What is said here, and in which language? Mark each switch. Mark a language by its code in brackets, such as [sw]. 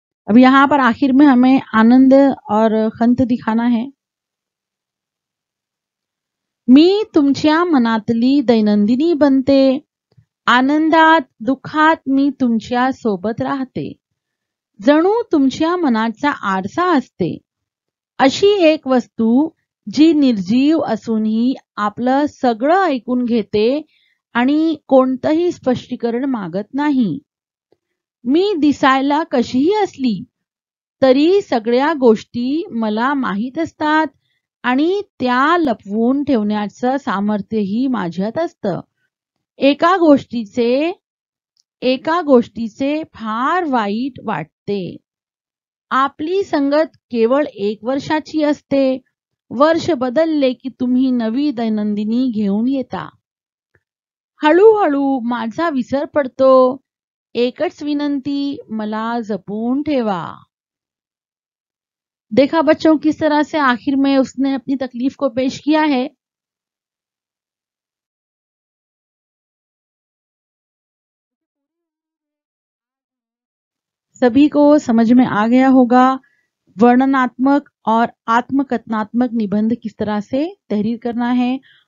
[hi] अब यहां पर आखिर में हमें आनंद और खंत दिखाना है। [mr] मी तुमच्या मनातली दैनंदिनी बनते, आनंदात दुखात मी तुमच्या सोबत राहते। जणू तुमच्या मनाचा आरसा असते, अशी एक वस्तू जी निर्जीव असूनही आपलं सगळं ऐकून घेते आणि कोणतंही स्पष्टीकरण मागत नाही. मी दिसायला कशीही असली तरी सगळ्या गोष्टी मला माहीत असतात आणि त्या लपवून ठेवण्याचं सामर्थ्यही माझ्यात असतं. एका गोष्टीचे फार वाईट वाटते. आपली संगत केवळ एक वर्षाची असते. वर्ष बदलले की तुम्ही नवी दैनंदिनी घेऊन येता. हळूहळू माझा विसर पडतो. एकच विनंती, मला जपून ठेवा. [hi] देखा बच्चों, किस तरह से आखिर में उसने अपनी तकलीफ को पेश किया है. सभी को समझ में आ गया होगा वर्णनात्मक और आत्मकथनात्मक निबंध किस तरह से तहरीर करना है.